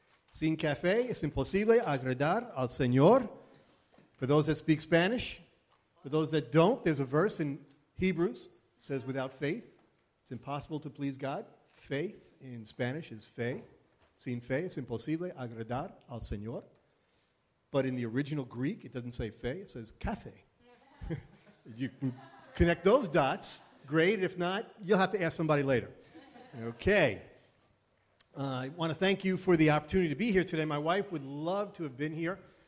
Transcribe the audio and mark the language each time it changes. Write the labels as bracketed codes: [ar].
[es] Sin café es imposible agradar al Señor. [en] For those that speak Spanish, for those that don't, there's a verse in Hebrews that says, without faith, it's impossible to please God. Faith in Spanish is fe. [es] Sin fe es imposible agradar al Señor. [en] But in the original Greek, it doesn't say fe, it says café. You can connect those dots. Great. If not, you'll have to ask somebody later. Okay. I want to thank you for the opportunity to be here today. My wife would love to have been here.